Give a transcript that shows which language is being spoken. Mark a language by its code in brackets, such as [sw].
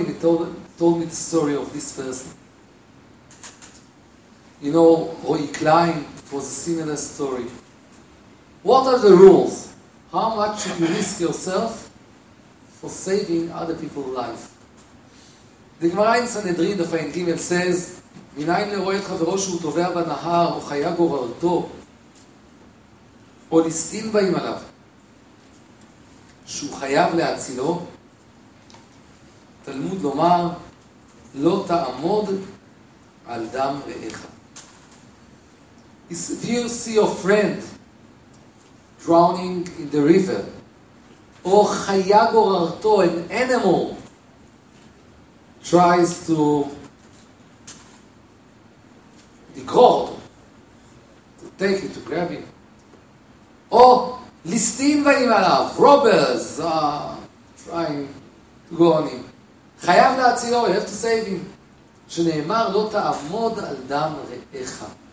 [en] And he told me the story of this person. You know, Roy Klein, it was a similar story. What are the rules? How much should you risk yourself for saving other people's life? The Gemara in Sanhedrin, the Fein Gimel, says, [he] מנין לרואה את חברו שהוא טובע בנהר או חיה גוררתו או לסטין באים עליו שהוא חייב להצילו? תלמוד לומר, לא תעמוד על דם רעך. [en] If you see your friend drowning in the river, [he] או חיה גוררתו, [en] an animal, tries to [he] לגרור אותו, [en] to take it, to grab him, [he] או ליסטים באים עליו, [en] robbers trying to go on him, [he] חייב להצילו, [en] you have to save him, [he] שנאמר לא תעמוד על דם רעך.